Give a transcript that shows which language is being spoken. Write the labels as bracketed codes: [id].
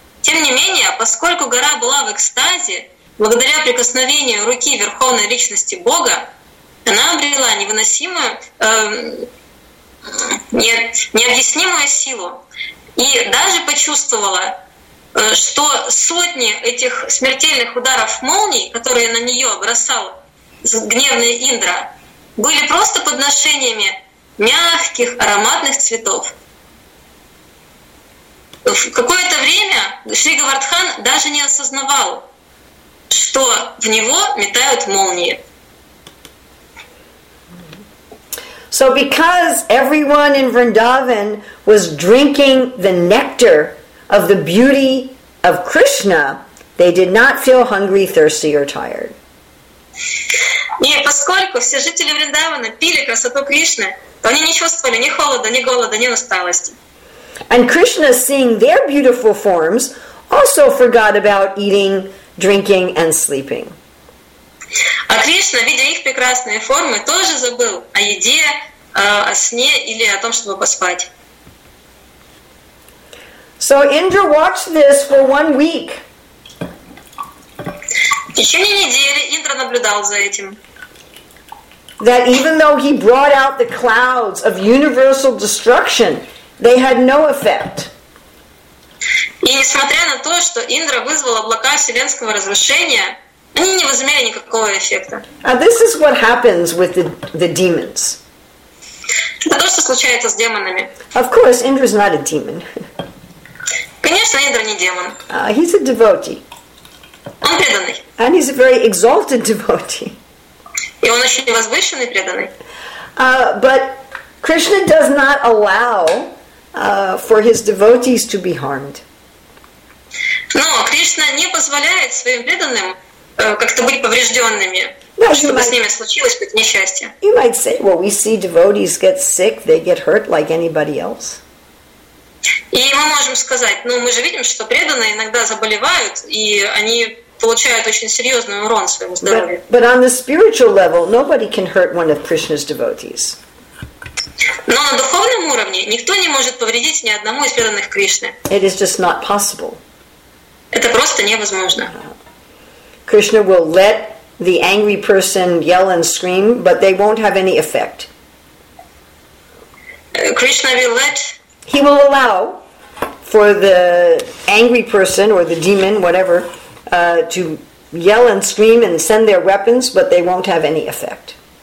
[ru] Тем не менее, поскольку гора была в экстазе, благодаря прикосновению руки Верховной Личности Бога, она обрела необъяснимую силу и даже почувствовала, что сотни этих смертельных ударов молний, которые на нее бросал гневный Индра, были просто подношениями мягких ароматных цветов. В какое-то время Шри Гавардхан даже не осознавал, что в него метают молнии. [en] So because everyone in Vrindavan was drinking the nectar of the beauty of Krishna, they did not feel hungry, thirsty, or tired. [ru] И поскольку все жители Вриндавана пили красоту Кришны, то они не чувствовали ни холода, ни голода, ни усталости. [en] And Krishna, seeing their beautiful forms, also forgot about eating, drinking, and sleeping. [ru] А Кришна, видя их прекрасные формы, тоже забыл о еде, о сне или о том, чтобы поспать. [en] So Indra watched this for 1 week. [ru] В течение недели Индра наблюдал за этим. [en] That even though he brought out the clouds of universal destruction, they had no effect. [ru] И несмотря на то, что Индра вызвал облака вселенского разрушения, они не возымели никакого эффекта. [en] And this is what happens with the demons. [ru] Это то, что случается с демонами. [en] Of course, Indra is not a demon. [ru] Конечно, Индра не демон. [en] He's a devotee. [ru] Он преданный. [en] And he's a very exalted devotee. [ru] И он очень возвышенный преданный. [en] But Krishna does not allow for his devotees to be harmed. [ru] Но Кришна не позволяет своим преданным как-то быть поврежденными, now, чтобы с ними случилось какое-то несчастье. [en] You might say, well, we see devotees get sick, they get hurt like anybody else. [ru] И мы можем сказать, мы же видим, что преданные иногда заболевают, и они получают очень серьезный урон своему здоровью. [en] But on the spiritual level, nobody can hurt one of Krishna's devotees. [ru] Но на духовном уровне никто не может повредить ни одному из преданных Кришны. [en] It is just not possible. [ru] Это просто невозможно. [en] Krishna will let the angry person yell and scream, but they won't have any effect. Krishna will let... He will allow for the angry person or the demon, whatever, to yell and scream and send their weapons, but they won't have any effect.